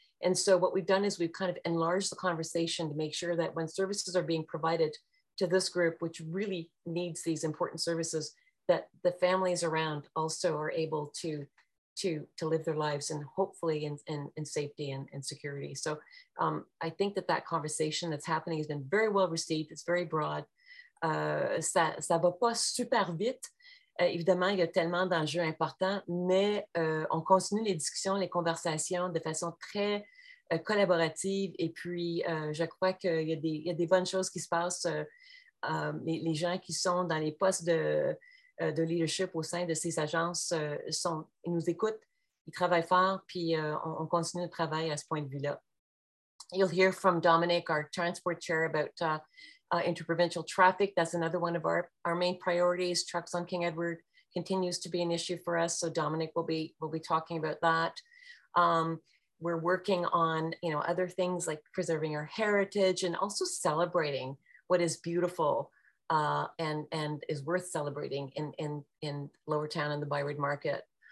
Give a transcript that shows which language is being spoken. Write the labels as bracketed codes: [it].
[en] And so what we've done is we've kind of enlarged the conversation to make sure that when services are being provided to this group, which really needs these important services, that the families around also are able to live their lives and hopefully in safety and security. So I think that conversation that's happening has been very well received. It's very broad. Ça va pas super vite. [fr] Évidemment, il y a tellement d'enjeux importants, mais on continue les discussions, les conversations de façon très collaborative. Et puis, je crois qu'il y a des bonnes choses qui se passent. Les gens qui sont dans les postes de leadership au sein de ces agences ils nous écoutent, ils travaillent fort, puis on continue le travail à ce point de vue-là. [en] You'll hear from Dominic, our transport chair, about interprovincial traffic. That's another one of our main priorities. Trucks on King Edward continues to be an issue for us, so Dominic will be talking about that. We're working on, you know, other things like preserving our heritage and also celebrating what is beautiful and is worth celebrating in Lower Town and the Byward Market.